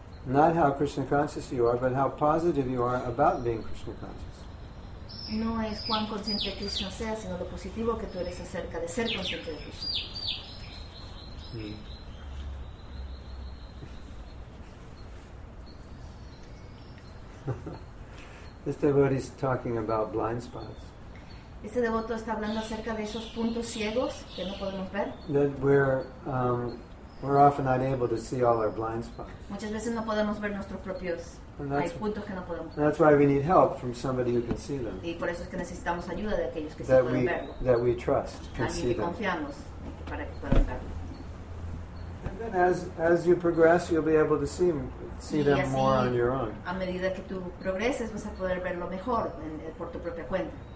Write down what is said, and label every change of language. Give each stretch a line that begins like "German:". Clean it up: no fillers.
English: Not how Krishna conscious you are, but how positive you are about being Krishna conscious.
Spanish: No es cuán consciente Krishna sea, sino lo positivo que tú eres acerca de ser consciente de Krishna.
English: This devotee is talking about blind spots.
Spanish: Este devoto está hablando acerca de esos puntos ciegos que no podemos ver.
English: That we're often not able to see all our blind spots.
Spanish: Muchas veces no podemos ver nuestros propios. Hay puntos que no podemos ver.
English: That's why we need help from somebody who can see them.
Spanish: Y por eso es que necesitamos ayuda de aquellos que
English: that
Spanish: sí pueden verlo.
English: That we trust can
Spanish: alguien
English: see them.
Spanish: Alguien que confiamos para que puedan verlo.
English: And then as you progress, you'll be able to see them more on your own.
Spanish: A medida que tú progreses vas a poder verlo mejor por tu propia cuenta.